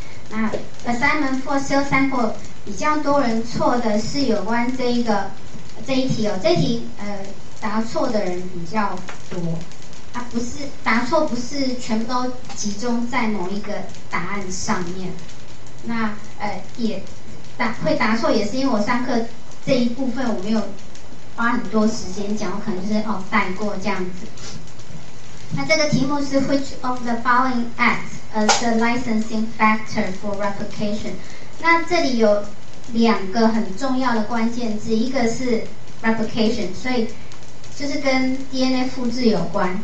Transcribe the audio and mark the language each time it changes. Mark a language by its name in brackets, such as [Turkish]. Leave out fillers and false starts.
[Chinese] 那 assignment 4 cell sample 比较多人错的是有关这一个这一题哦，这一题答错的人比较多，啊不是答错不是全部都集中在某一个答案上面，那也答会答错也是因为我上课这一部分我没有花很多时间讲，我可能就是哦带过这样子。那这个题目是 [English] Which of the following acts as the licensing factor for replication？ [Chinese] 那这里有两个很重要的关键字，一个是 replication， 所以就是跟 DNA 复制有关。